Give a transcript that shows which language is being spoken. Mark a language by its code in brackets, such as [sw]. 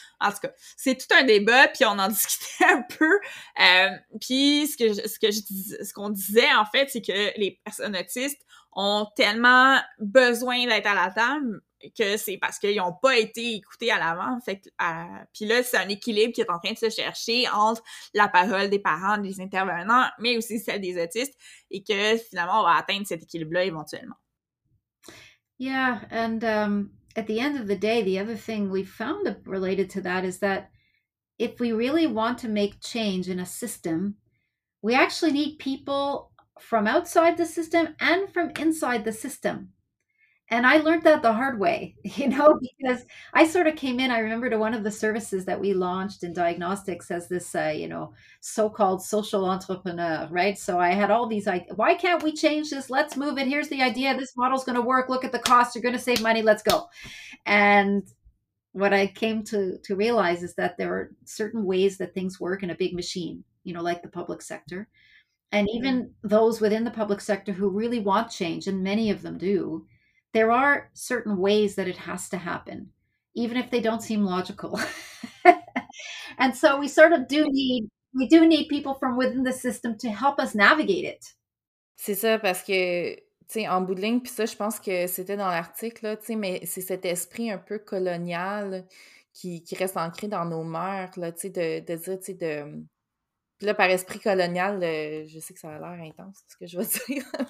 [fr] En tout cas, c'est tout un débat, puis on en discutait un peu, puis ce qu'on disait, en fait, c'est que les personnes autistes ont tellement besoin d'être à la table que c'est parce qu'ils n'ont pas été écoutés à l'avant, fait puis là, c'est un équilibre qui est en train de se chercher entre la parole des parents, des intervenants, mais aussi celle des autistes, et que finalement, on va atteindre cet équilibre-là éventuellement. [en] Yeah, and at the end of the day, the other thing we found related to that is that if we really want to make change in a system, we actually need people from outside the system and from inside the system. And I learned that the hard way, you know, because I sort of came in, I remember to one of the services that we launched in diagnostics as this, you know, so-called social entrepreneur, right? So I had all these, like, why can't we change this? Let's move it. Here's the idea. This model's going to work. Look at the cost. You're going to save money. Let's go. And what I came to realize is that there are certain ways that things work in a big machine, you know, like the public sector. And even those within the public sector who really want change, and many of them do, there are certain ways that it has to happen, even if they don't seem logical. And so we sort of do need people from within the system to help us navigate it. [fr] C'est ça, parce que, tu sais, en bout de ligne, puis ça, je pense que c'était dans l'article, tu sais, mais c'est cet esprit un peu colonial qui reste ancré dans nos mœurs, tu sais, de dire, tu sais, de... Puis là, par esprit colonial, je sais que ça a l'air intense, ce que je veux dire.